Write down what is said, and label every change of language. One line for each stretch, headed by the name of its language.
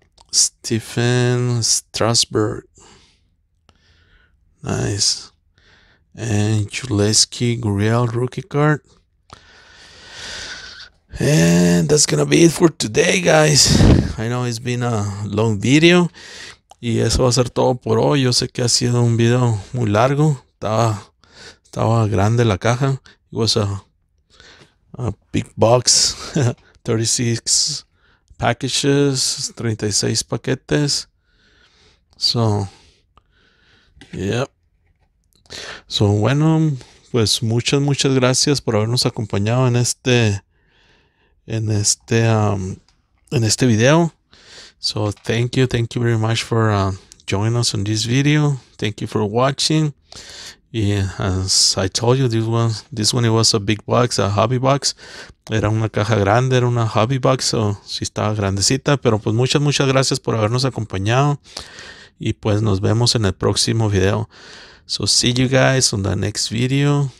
English: Stephen Strasburg, nice, and Juleski Gurriel rookie card, and that's gonna be it for today, guys. I know it's been a long video,
Spanish: y eso va a ser todo por hoy. Yo sé que ha sido un video muy largo, estaba grande la caja,
English: it was a big box, 36 packages,
Spanish: 36 paquetes.
English: So, yep.
Spanish: So, bueno, pues muchas gracias por habernos acompañado en este video.
English: So, thank you very much for joining us on this video. Thank you for watching. Yeah, as I told you, this one it was a big box, a hobby box.
Spanish: Era una caja grande, era una hobby box, o sí estaba grandecita, pero pues muchas gracias por habernos acompañado. Y pues nos vemos en el próximo video.
English: So see you guys on the next video.